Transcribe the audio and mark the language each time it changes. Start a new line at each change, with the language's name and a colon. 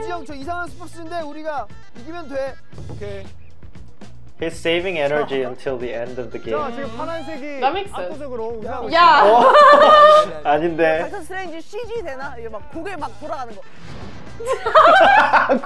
Korean: 우지영, 저 이상한 스포츠인데 우리가 이기면 돼. 오케이.
English: He's saving energy until the end of the game. That makes sense. Yeah.
Korean: 아닌데. 닥터 스트레인지 CG 되나? 이게 막 고개 막 돌아가는 거.